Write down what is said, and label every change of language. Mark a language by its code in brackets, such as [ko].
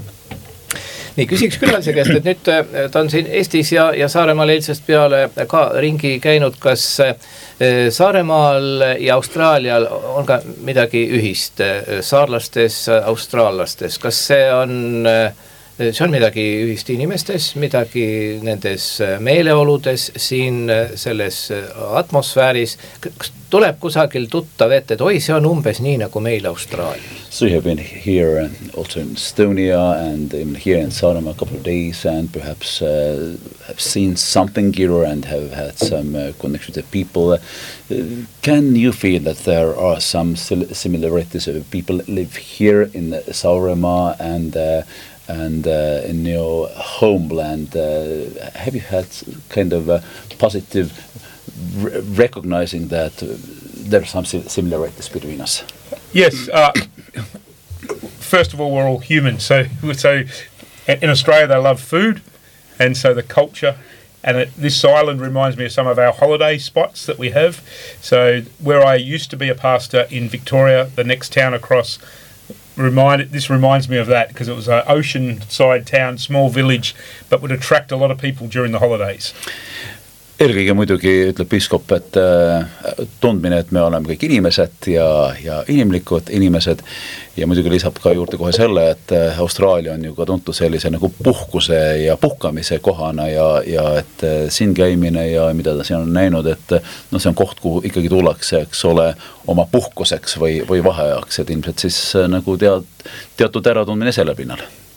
[et] Nii, küsiks külalise käest, et nüüd ta on siin Eestis ja Saaremaal eilsest peale ka ringi käinud, kas Saaremaal ja Austraalial on ka midagi ühist saarlastes, austraallastes, kas see on see on midagi ühist inimestes, midagi nendes meeleoludes siin selles atmosfääris. Tuleb kusagil tuttav ette, et oi, see on umbes nii nagu meil Austraalia. [en] So you have been here also in Estonia and even here in Saaremaa a couple of days and perhaps have seen something here and have had some connections with people. Can you feel that there are some similarities of people that live here in Saaremaa and in your homeland? Have you had kind of a positive recognizing that there are some similarities between us? Yes. First of all, we're all human, so in Australia they love food, and so the culture, and this island reminds me of some of our holiday spots that we have. So where I used to be a pastor in Victoria, the next town across, reminds me of that, because it was an oceanside town, small village, but would attract a lot of people during the holidays. [et] Eelkõige muidugi ütleb biskop, et tundmine, et me oleme kõik inimesed ja inimlikud inimesed, ja muidugi lisab ka juurde kohe selle, et Austraalia on ju ka tuntud sellise nagu puhkuse ja puhkamise kohana ja et siin käimine ja mida ta siin on näinud, et no see on koht, kuhu ikkagi tullakse, eks ole oma puhkuseks või vaheajaks, et ilmselt siis nagu teatud ära tundmine selle pinnal.